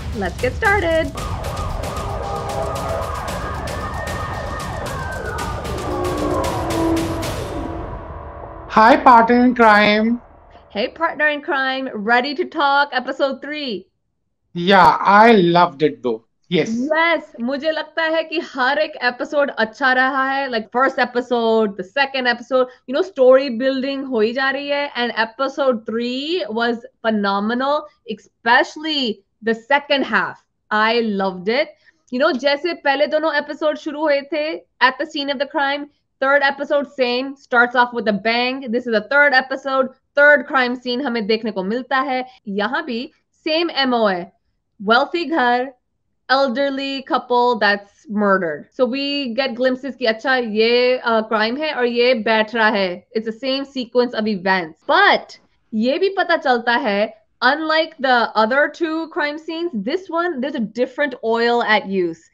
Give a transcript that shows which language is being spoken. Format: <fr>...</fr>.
<en>Let's get started! Hi partner in crime! Hey partner in crime, ready to talk Episode 3? Yeah, I loved it though. Yes. Yes,</en> <hi>मुझे लगता है कि हर एक episode अच्छा रहा है.</hi> <en>Like first episode, the second episode, you know, story building</en> <hi>हो ही जा रही है.</hi> <en>And episode 3 was phenomenal, especially the second half. I loved it. You know,</en> <hi>जैसे पहले दोनों एपिसोड शुरू हुए थे</hi> <en>at the scene of the crime. Third episode same, starts off with a bang. This is the third episode, third crime scene</en> <hi>हमें देखने को मिलता है. यहाँ भी same MO है.</hi> <en>Wealthy घर, elderly couple that's murdered. So we get glimpses</en> <hi>ki acha ye crime hai aur ye baithra hai.</hi> <en>It's the same sequence of events. But</en> <hi>ye bhi pata chalta hai,</hi> <en>unlike the other two crime scenes, this one, there's a different oil at use.</en>